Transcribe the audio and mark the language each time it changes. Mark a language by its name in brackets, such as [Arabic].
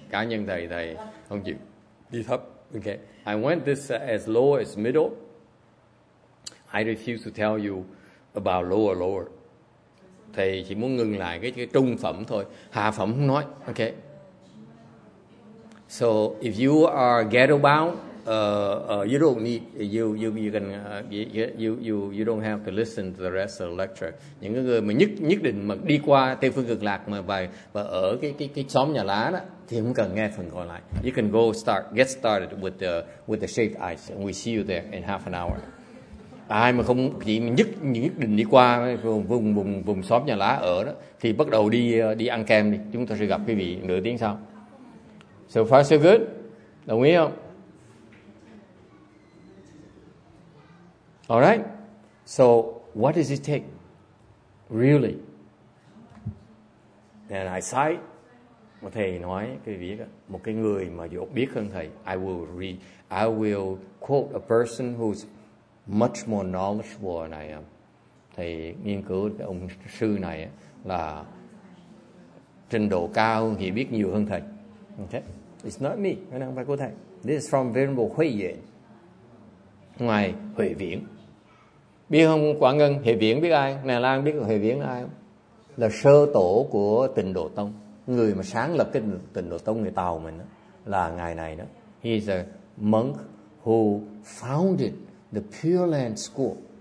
[Vietnamese] Cá nhân thầy thầy không chịu đi thấp. Okay. [English] I went this as low as middle. I refuse to tell you about lower. [Vietnamese] Thầy chỉ muốn ngừng lại cái trung phẩm thôi. Hạ phẩm không nói. Okay. [English] So if you are ghetto bound, you don't need you don't have to listen to the rest of the lecture. [Vietnamese] Những người mà nhất định mà đi qua Tây phương cực lạc mà và ở cái xóm nhà lá đó thì không cần nghe phần còn lại. [English] You can go get started with the shaved eyes, and we see you there in half an hour. [Vietnamese] Ai mà không chỉ nhất định đi qua vùng xóm nhà lá ở đó thì bắt đầu đi ăn kem đi. Chúng ta sẽ gặp quý vị nửa tiếng sau. [English] So far, so good. [Vietnamese] Đồng ý không? [English] All right. So, what does it take? Really? And I cite what [Vietnamese] thầy nói, quý vị biết, một cái người mà biết hơn thầy. [English] I will quote a person who's much more knowledgeable than I am. [Vietnamese] Thầy nghiên cứu cái ông sư này là trình độ cao, hiểu biết nhiều hơn thầy. [English] Okay. It's not me. [Vietnamese] Nó không phải của thầy. [English] This is from Venerable Huệ Viện. [Vietnamese] Ngoài Huệ Viện. Biết không Quả Ngân? Huệ Viện biết ai? Nè Lan biết Huệ Viện là ai không? Là sơ tổ của Tịnh Độ Tông. Người mà sáng lập cái Tịnh Độ Tông người Tàu mình đó. Là ngài này đó. [English] He is a monk who founded the Pure Land School.